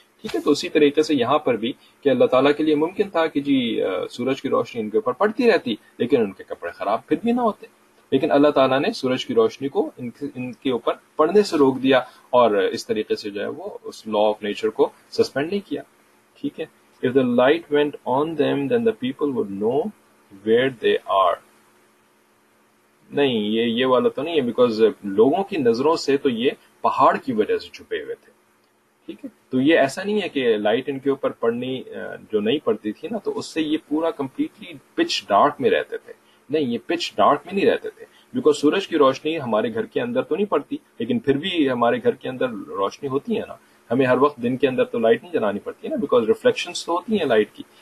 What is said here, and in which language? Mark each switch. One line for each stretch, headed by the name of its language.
Urdu: ٹھیک ہے، تو اسی طریقے سے یہاں پر بھی کہ اللہ تعالیٰ کے لیے ممکن تھا کہ جی سورج کی روشنی ان کے اوپر پڑتی رہتی لیکن ان کے کپڑے خراب پھر بھی نہ ہوتے، لیکن اللہ تعالیٰ نے سورج کی روشنی کو ان کے اوپر پڑنے سے روک دیا، اور اس طریقے سے جو ہے وہ اس لا آف نیچر کو سسپینڈ نہیں کیا. ٹھیک ہے،
English: If the light went on them then the people would know where they are.
Urdu: نہیں، یہ والا تو نہیں ہے، بیکاز لوگوں کی نظروں سے تو یہ پہاڑ کی وجہ سے چھپے ہوئے تھے. ٹھیک ہے، تو یہ ایسا نہیں ہے کہ لائٹ ان کے اوپر پڑنی جو نہیں پڑتی تھی نا تو اس سے یہ پورا کمپلیٹلی پچ ڈارک میں رہتے تھے. نہیں، یہ پچ ڈارک میں نہیں رہتے تھے، بیکاز سورج کی روشنی ہمارے گھر کے اندر تو نہیں پڑتی، لیکن پھر بھی ہمارے گھر کے اندر روشنی ہوتی ہے نا، ہمیں ہر وقت دن کے اندر تو لائٹ نہیں جلانی پڑتی ہے نا، بیکاز ریفلیکشنز تو ہوتی ہیں لائٹ کی.